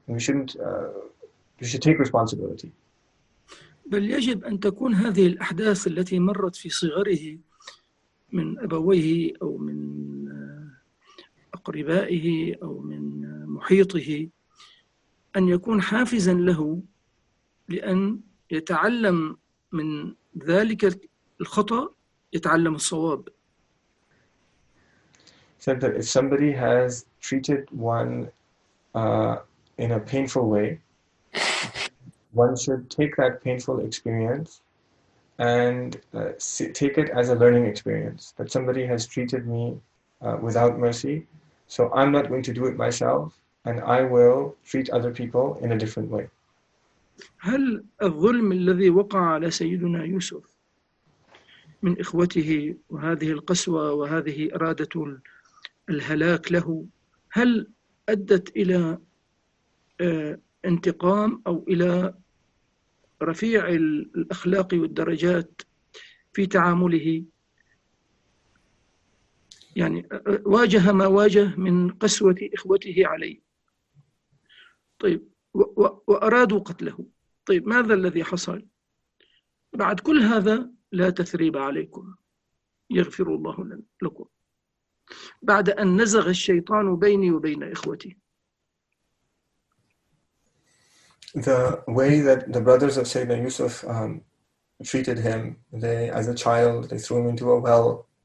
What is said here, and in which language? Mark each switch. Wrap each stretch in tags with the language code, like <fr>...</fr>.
<en>And we should take responsibility.</en> <ar>بل يجب أن تكون هذه الأحداث التي مرت في صغره من أبويه أو من أقربائه أو من محيطه، أن يكون حافزاً له لأن يتعلم من ذلك الخطأ، يتعلم الصواب.</ar> <en>Said that if somebody has treated one in a painful way, one should take that painful experience and take it as a learning experience. That somebody has treated me without mercy. So I'm not going to do it myself, and I will treat other people in a different way.</en> <ar>هل الظلم الذي وقع على سيدنا يوسف من إخوته وهذه القسوة وهذه إرادة الهلاك له، هل أدت إلى انتقام أو إلى رفيع الأخلاق والدرجات في تعامله؟ يعني واجه ما واجه من قسوة إخوته عليه، طيب وأرادوا قتله، طيب ماذا الذي حصل؟ بعد كل هذا لا تثريب عليكم، يغفر الله لكم، بعد أن نزغ الشيطان بيني وبين إخوتي.</ar> <en>The way that the brothers of Sayyidina Yusuf treated him, they, as a child, they threw him into a well.</en>